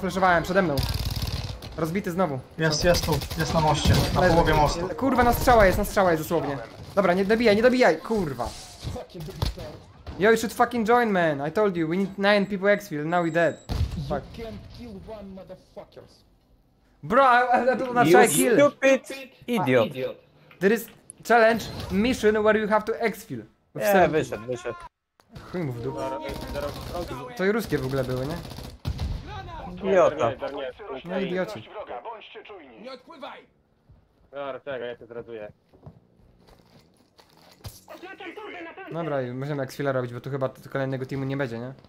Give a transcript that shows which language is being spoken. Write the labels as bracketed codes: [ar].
[pl] Flaszowałem przede mną. Rozbity znowu. Jest tu. Jest na moście. Na połowie mostu. Kurwa, na strzała jest dosłownie. Dobra, nie dobijaj. Kurwa. [en] Yo, you should fucking join, man. I told you, we need 9 people exfil, now we're dead. Fuck. You can't kill one motherfucker. Bro, I kill. You stupid idiot. There is challenge mission where you have to exfil. [pl] Wyszedł. Chuj mu w dół. To i ruskie w ogóle były, nie? Idiota. No idioci. Nie odpływaj! Dobra, tego, ja cię zraduję. Dobra, możemy jak chwilę robić, bo tu chyba kolejnego teamu nie będzie, nie?